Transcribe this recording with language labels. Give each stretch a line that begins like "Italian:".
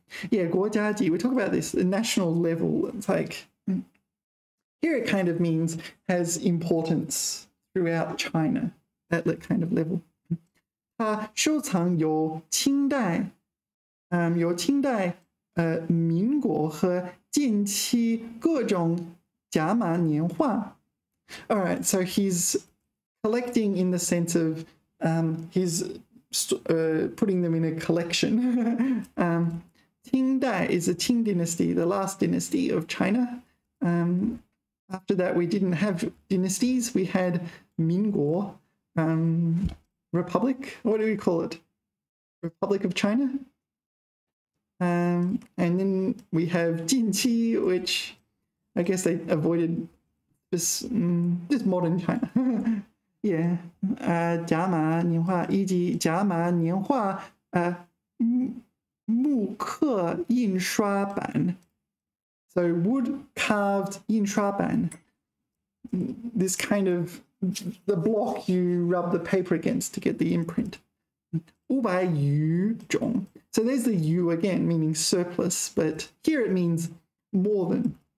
English: Yeah, 国家级, we talk about this, the national level. It's like, here it kind of means has importance throughout China, that kind of level.
Chinese: 他收藏有清代、民国和近期各种甲马年画.
English: All right, so he's collecting in the sense of he's putting them in a collection. 清代 is the Qing dynasty, the last dynasty of China. After that, we didn't have dynasties. We had 民国.Republic? What do we call it? Republic of China? And then we have Jinqi, which I guess they avoided this modern China. Yeah.
Chinese: 甲马年画以及甲马年画 木刻印刷版.
English: So wood carved 印刷版. This kind of the block you rub the paper against to get the imprint.
Chinese: 500余种.
English: So there's the yu again, meaning surplus, but here it means more than.